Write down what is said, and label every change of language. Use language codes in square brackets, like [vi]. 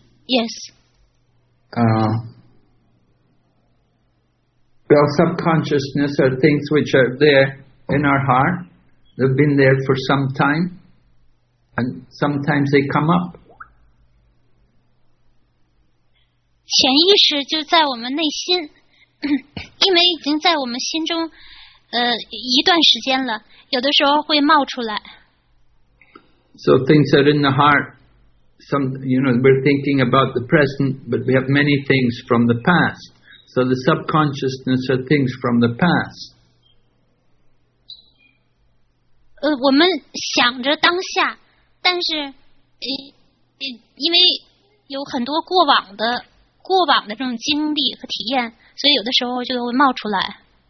[en] Yes. Well, subconsciousness are things which are there in our heart. They've been there for some time, and sometimes they come up. [zh] 潜意识就在我们内心，因为已经在我们心中，一段时间了，有的时候会冒出来。 [en] So things are in the heart. Some, you know, we're thinking about the present, but we have many things from the past. So the subconsciousness are things from the past. [zh] 我们想着当下，但是，因为有很多过往的这种经历和体验，所以有的时候就会冒出来。